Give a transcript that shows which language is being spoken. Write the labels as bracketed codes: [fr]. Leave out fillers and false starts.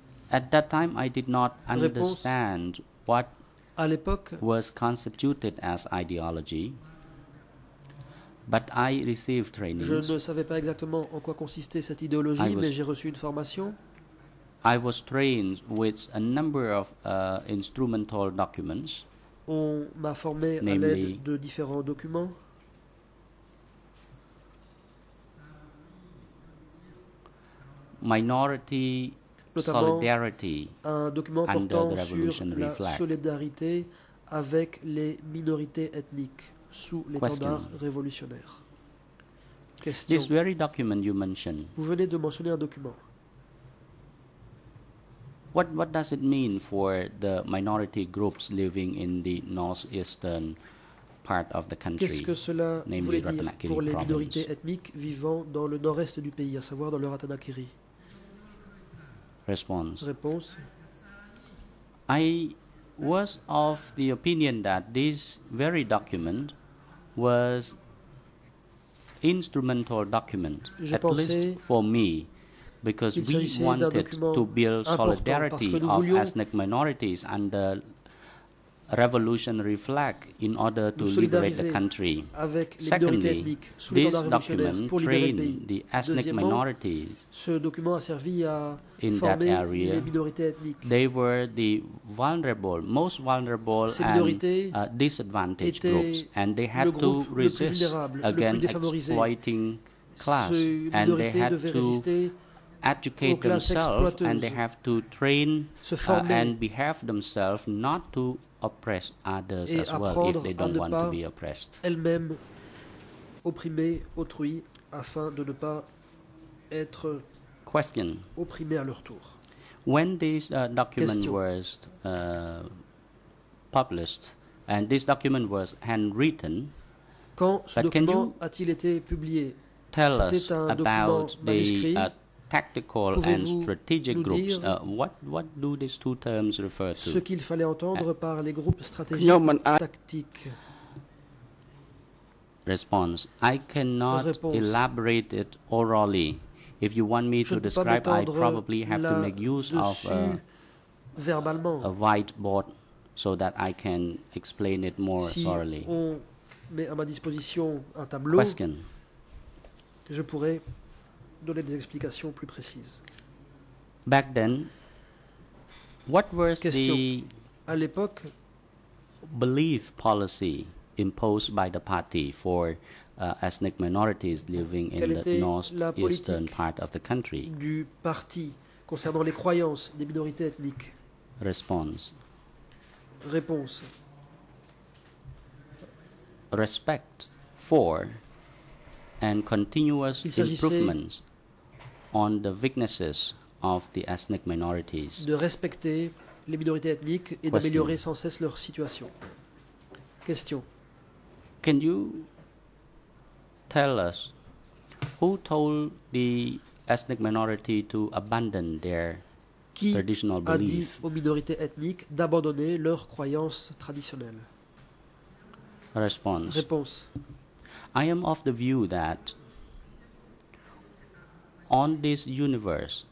[en] At that time, I did not understand what was constituted as ideology, but I received training. [fr] Je ne savais pas exactement en quoi consistait cette idéologie, mais j'ai reçu une formation. [en] I was trained with a number of instrumental documents. [fr] On m'a formé à l'aide de différents documents. [en] Minority solidarity under the revolutionary flag. [fr] Avec les minorités ethniques sous l'étendard révolutionnaire. [en] Question. This very document you mentioned. [fr] Vous venez de mentionner un document. [en] What does it mean for the minority groups living in the northeastern part of the country? [fr] Qu'est-ce que cela voulait dire pour les minorités ethniques vivant dans le nord-est du pays, à savoir dans le Ratanakiri? Réponse. [en] I was of the opinion that this very document was instrumental document, at least for me, because we wanted to build solidarity of ethnic minorities under revolutionary flag in order to liberate the country. Secondly, this document trained the ethnic minorities in that area. They were the vulnerable, most vulnerable and disadvantaged groups, and they had to resist against exploiting class, and they had to educate themselves, and they have to train and behave themselves not to oppress others [fr] et [en] as well if they don't want to be oppressed. [fr] Elle-même opprimer autrui afin de ne pas être question. Opprimé à leur tour. [en] When this document was published, and this document was handwritten, [fr] quand ce document a-t-il été publié? [en] Tell us about the tactical and strategic groups. What do these two terms refer to? [fr] Ce qu'il fallait entendre par les groupes stratégiques et tactiques. [en] Response. I cannot elaborate it orally. If you want me to describe, I probably have to make use of a whiteboard so that I can explain it more thoroughly. [fr] Si on met à ma disposition un tableau, question. Que je pourrais donner des explications plus précises. [en] Back then, what was [fr] question. [en] The [fr] à l'époque, [en] belief policy imposed by the party for ethnic minorities living in the northeastern part of the country? [fr] Du parti concernant les croyances des minorités ethniques. [en] Response. [fr] Réponse. [en] Respect for and continuous improvements on the weaknesses of the ethnic minorities. [fr] De respecter les minorités ethniques et question. D'améliorer sans cesse leur situation. Question. [en] Can you tell us who told the ethnic minority to abandon their [fr] qui [en] traditional belief? [fr] Qui a dit aux minorités ethniques d'abandonner leurs croyances traditionnelles? Réponse. [en] I am of the view that on this universe,